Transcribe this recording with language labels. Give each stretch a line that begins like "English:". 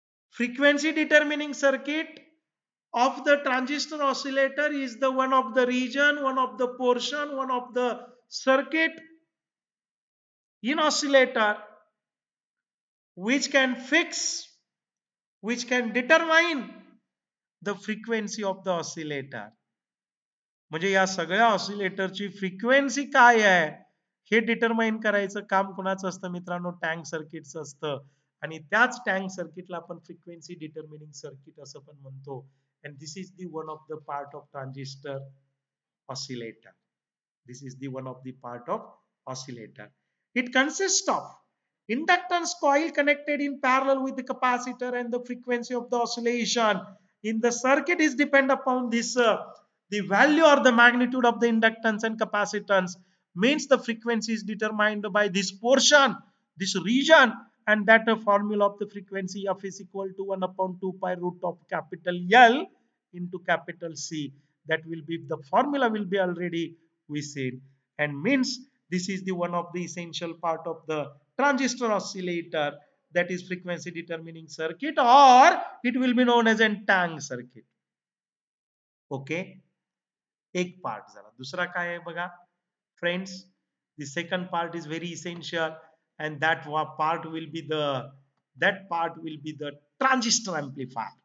English: Frequency determining circuit of the transistor oscillator is the one of the region, one of the portion, one of the circuit in oscillator which can fix, which can determine the frequency of the oscillator.
Marathi: म्हणजे या सगळ्या ऑसिलेटरची frequency काय आहे हे determine करायचं काम कोणाचं असतं मित्रांनो, टँक सर्किटचं असतं. आणि त्याच टँक सर्किटला आपण फ्रिक्वेन्सी डिटरमिनिंग सर्किट असं पण म्हणतो.
English: And this is the one of the part of transistor oscillator. This is the one of the part of oscillator. It consist of inductance coil connected in parallel with the capacitor and the frequency of the oscillation in the circuit is depend upon this. The value or the magnitude of the inductance and capacitance means the frequency is determined by this portion, this region, and that formula of the frequency F is equal to 1 upon 2 pi root of capital L into capital C. That will be, the formula will be already we seen, and means this is the one of the essential part of the transistor oscillator, that is frequency determining circuit, or it will be known as a tank circuit.
Marathi: Okay. एक part झाला. दुसरा काय आहे बघा friends,
English: The second part is very essential and that part will be the transistor amplifier.